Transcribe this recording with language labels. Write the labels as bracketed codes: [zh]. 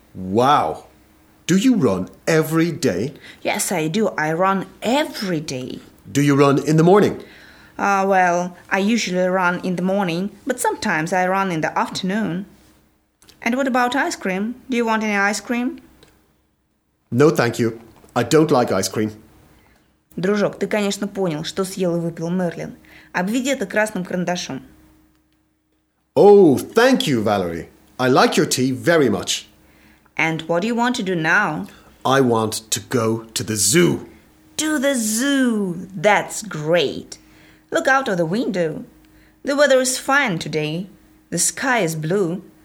[en] Wow. Do you run every day? Yes, I do. I run every day. Do you run in the morning? Well, I usually run in the morning, but sometimes I run in the afternoon. And what about ice cream? Do you want any ice cream? No, thank you. I don't like ice cream. [ru] Дружок, ты, конечно, понял, что съел и выпил Мерлин. Обведи это красным карандашом. [en] Oh, thank you, Valerie. I like your tea very much. And what do you want to do now? I want to go to the zoo. To the zoo. That's great. Look out of the window. The weather is fine today. The sky is blue.